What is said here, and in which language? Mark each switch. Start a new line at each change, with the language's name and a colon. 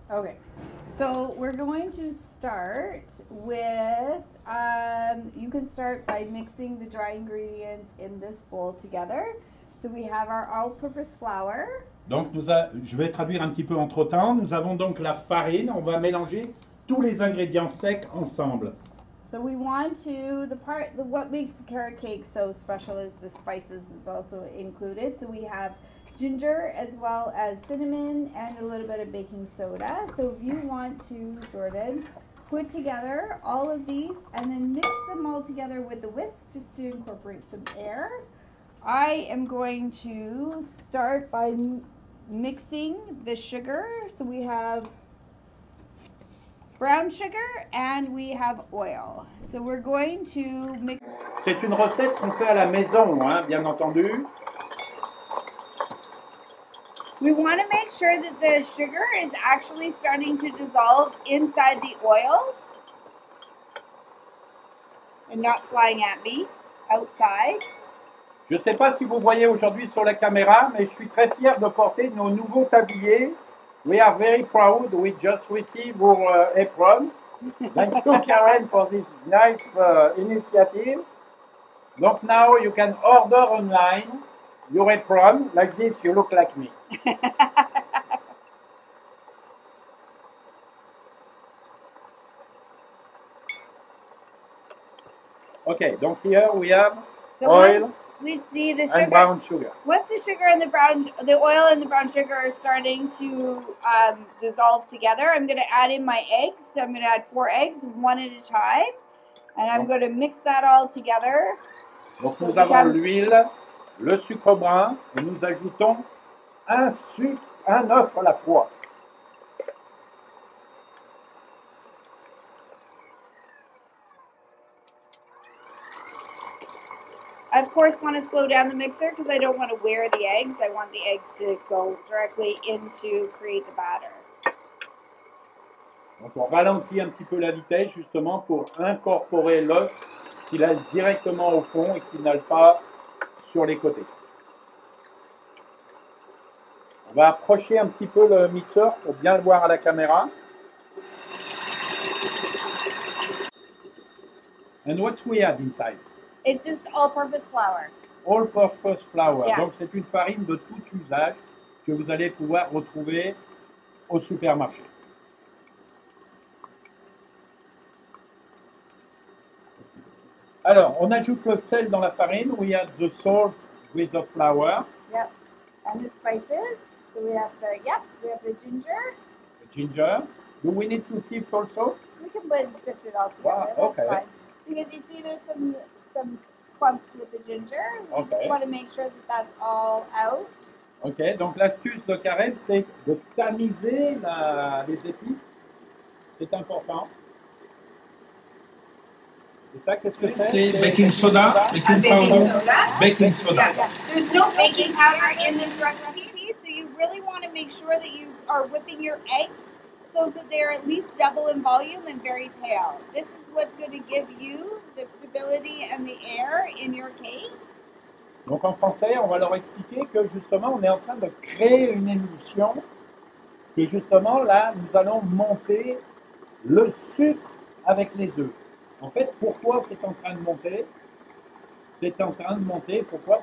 English: Okay, so we're going to start with, you can start by mixing the dry ingredients in this bowl together. So we have our all-purpose flour.
French: Donc, je vais traduire un petit peu entre-temps. Nous avons donc la farine. On va mélanger tous les ingrédients secs ensemble.
English: So we want to, what makes the carrot cake so special is the spices that's also included. So we have ginger as well as cinnamon and a little bit of baking soda. So if you want to, Jordan, put together all of these and then mix them all together with the whisk just to incorporate some air. I am going to start by mixing the sugar. So we have brown sugar and we have oil. So we're going to mix.
French: C'est une recette qu'on fait à la maison, hein, bien entendu.
English: We want to make sure that the sugar is actually starting to dissolve inside the oil and not flying at me outside.
French: Je ne sais pas si vous voyez aujourd'hui sur la caméra, mais je suis très fier de porter nos nouveaux tabliers.
English: We are very proud. We just received our apron. Thank you, Karen, for this nice initiative.
French: Donc,
English: now you can order online your apron. Like this, you look like me. Okay,
French: donc
English: here we have oil. We see the sugar and brown sugar. Once the sugar and the brown, the oil and the brown sugar are starting to dissolve together, I'm going to add in my eggs. So I'm going to add 4 eggs, one at a time, and I'm going to mix that all together.
French: Donc nous avons l'huile, le sucre brun, et nous ajoutons un œuf à la fois.
English: I of course want to slow down the mixer because I don't want to wear the eggs. I want the eggs to go directly into create the batter.
French: Donc on ralentit un petit peu la vitesse justement pour incorporer l'œuf qui laisse directement au fond et qui n'aille pas sur les côtés. On va approcher un petit peu le mixeur pour bien le voir à la caméra.
English: And what we have inside? It's just all-purpose flour. All-purpose flour. Yeah.
French: Donc c'est une farine de tout usage que vous allez pouvoir retrouver au supermarché. Alors, on ajoute le sel dans la farine.
English: We add the salt with the flour. Yep. And the spices. So we have the, yep, we have the ginger. The ginger. Do we need to sift also? We can blend it all together. Wow, okay. Because you see there's some clumps with the ginger. Okay. You want to make sure that that's all out.
French: Okay, donc l'astuce de Karen, c'est de tamiser les épices. C'est important. C'est
English: baking soda, baking powder. Yeah. There's no baking powder in this recipe, so you really want to make sure that you are whipping your eggs so that they're at least double in volume and very pale. This is what's going to give you the stability and the air in your cake.
French: Donc en français, on va leur expliquer que justement, on est en train de créer une émulsion, que justement là, nous allons monter le sucre avec les œufs. En fait, pourquoi c'est en train de monter? C'est en train de monter, pourquoi?